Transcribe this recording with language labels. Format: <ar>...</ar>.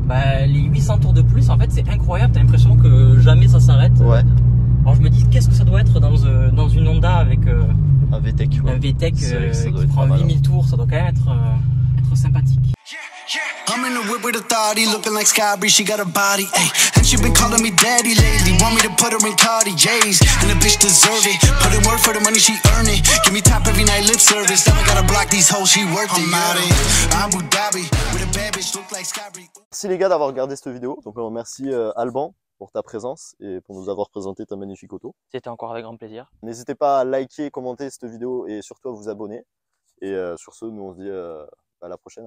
<fr>Bah, les 800 tours de plus, en fait, c'est incroyable. T'as l'impression que jamais ça s'arrête. Ouais. Alors, je me dis, qu'est-ce que ça doit être dans une Honda avec un VTEC, ouais. Un VTEC qui prend 8000 tours, ça doit quand même être sympathique.</fr> <en>I'm in the whip with a thotty, looking like Skybree, she got a body, ayy. And she been calling me daddy lately, want me to put her in Cartier's. And the bitch deserve it, put in work for the money she earn it. Give me top every night lip service, then I gotta block these hoes, she worth it. I'm out in Abu Dhabi, with a bad bitch, look like Skybree.</en> <fr>Merci les gars d'avoir regardé cette vidéo, donc on remercie Alban pour ta présence et pour nous avoir présenté ta magnifique auto. C'était encore avec grand plaisir. N'hésitez pas à liker, commenter cette vidéo et surtout à vous abonner. Et sur ce, nous on se dit à la prochaine.</fr>